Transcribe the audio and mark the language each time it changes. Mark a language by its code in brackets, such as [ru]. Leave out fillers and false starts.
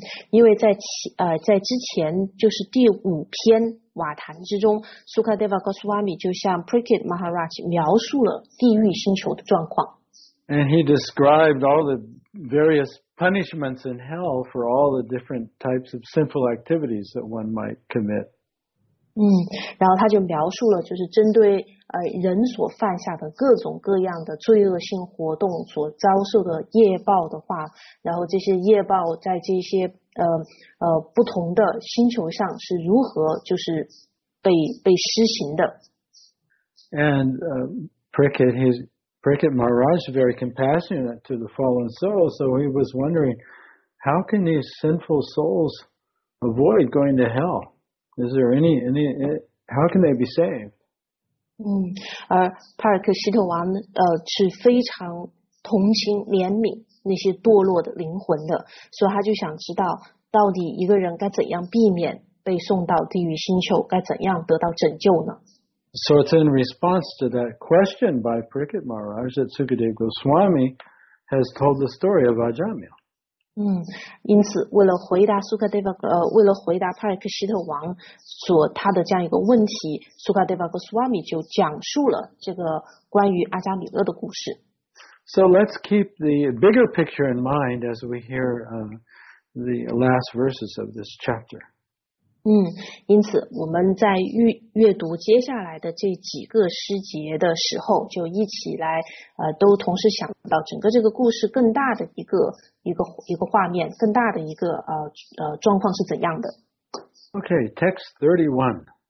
[zh] 因为在之前就是第五篇瓦坛之中 ，Sukadeva Goswami 就向 Prakrit Maharaj 描述了地狱星球的状况。 [en] And he described all the various punishments in hell for all the different types of sinful activities that one might commit. [zh] 然后他就描述了就是针对人所犯下的各种各样的罪恶性活动所遭受的业报的话，然后这些业报在这些不同的星球上是如何就是被施行的。 [en] And Prakrit Maharaj is very compassionate to the fallen souls, so he was wondering, how can these sinful souls avoid going to hell? Is there any how can they be saved? [zh] 而帕尔克希特王是非常同情怜悯那些堕落的灵魂的，所以他就想知道到底一个人该怎样避免被送到地狱星球，该怎样得到拯救呢？ [en] So it's in response to that question by Prakrit Maharaj that Sukadeva Goswami has told the story of Ajamila. [zh] 因此为了回答 Sukadeva 为了回答帕尔克希特王所他的这样一个问题， Sukadeva Goswami 就讲述了这个关于阿加米勒的故事。 [en] So let's keep the bigger picture in mind as we hear the last verses of this chapter. [zh] 因此我们在阅读接下来的这几个诗节的时候，就一起来都同时想到整个这个故事更大的一个画面，更大的一个状况是怎样的。 [en] Okay, text 31.